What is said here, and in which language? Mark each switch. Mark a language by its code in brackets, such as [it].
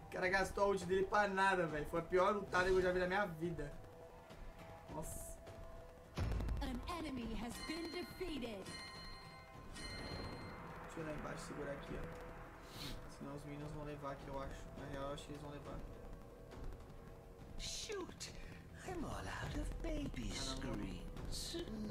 [pt] Gastou a ult dele pra nada, velho. Foi a pior lutada que eu já vi na minha vida. Nossa. [en] An enemy has been defeated. [pt] Deixa eu ir lá embaixo e segurar aqui, ó. Senão os minions vão levar aqui, eu acho. Na real, eu acho que eles vão levar. [en] Shoot! I'm all out of baby screens.